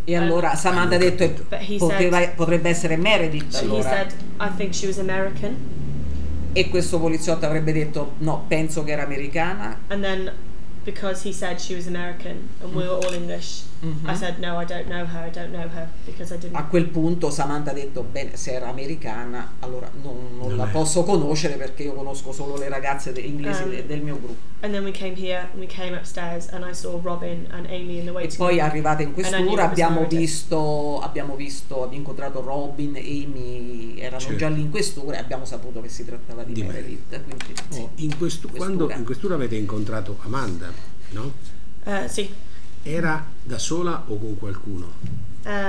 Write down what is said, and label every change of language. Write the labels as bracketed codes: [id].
[it] e allora Samantha ha detto potrebbe essere Meredith. [en] He said I think she was American. [it] E questo poliziotto avrebbe detto, no, penso che era americana. [en] And then because he said she was American and we were all English, I said no, I don't know her because I didn't. [it] A quel punto Samantha ha detto, bene, se era americana allora non la posso conoscere perché io conosco solo le ragazze inglesi del mio gruppo. [en] And then we came here and we came upstairs and I saw Robin and Amy in the waiting [it] room. E poi arrivate in questura abbiamo visto abbiamo incontrato Robin, Amy erano già lì in questura e abbiamo saputo che si trattava di Meredith. Quindi in questura avete incontrato Amanda, no? Sì. Era da sola o con qualcuno?